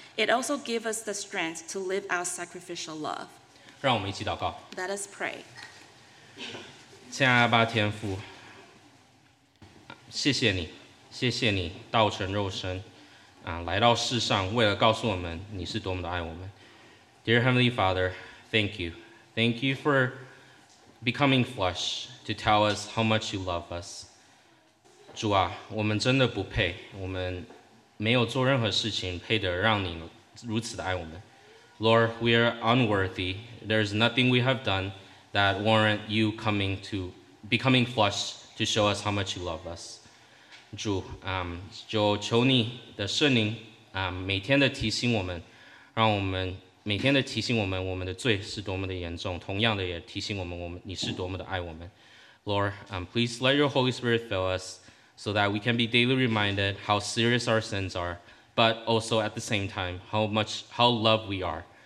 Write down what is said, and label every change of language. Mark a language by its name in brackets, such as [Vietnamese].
[English] It also gives us the strength to live out sacrificial love. [Chinese] 让我们一起祷告。 [English] Let us pray. [Chinese] 亲爱的阿爸天父，谢谢你，谢谢你道成肉身，来到世上，为了告诉我们你是多么的爱我们。 [English] Dear Heavenly Father, thank you. Thank you for becoming flesh to tell us how much you love us. [Chinese] 主啊，我们真的不配，我们没有做任何事情配得让你如此的爱我们。 [English] Lord, we are unworthy. There is nothing we have done that warrant you becoming flesh to show us how much you love us. [Chinese] 主，就求你的圣灵，每天的提醒我们，让我们每天的提醒我们，我们的罪是多么的严重，同样的也提醒我们，你是多么的爱我们。 [English] Lord, please let your Holy Spirit fill us so that we can be daily reminded how serious our sins are, but also at the same time, how loved we are.